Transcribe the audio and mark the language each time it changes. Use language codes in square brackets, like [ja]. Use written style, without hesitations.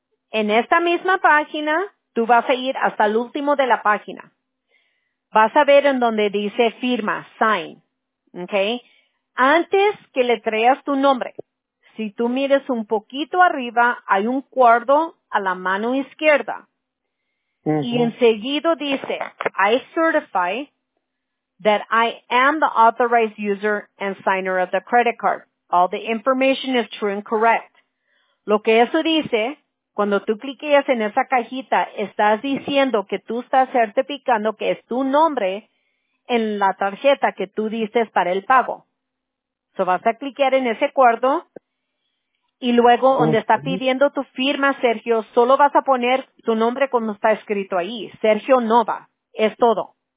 [es] En esta misma página, tú vas a ir hasta el último de la página. Vas a ver en donde dice firma, sign. Okay. Antes que le traigas tu nombre, si tú mires un poquito arriba, hay un cuadro a la mano izquierda. Uh-huh. Y enseguido dice, [en] I certify that I am the authorized user and signer of the credit card. All the information is true and correct. [es] Lo que eso dice, cuando tú cliqueas en esa cajita, estás diciendo que tú estás certificando que es tu nombre en la tarjeta que tú diste para el pago. So vas a cliquear en ese cuadro y luego donde está pidiendo tu firma, Sergio, solo vas a poner tu nombre como está escrito ahí, Sergio Nova. Es todo.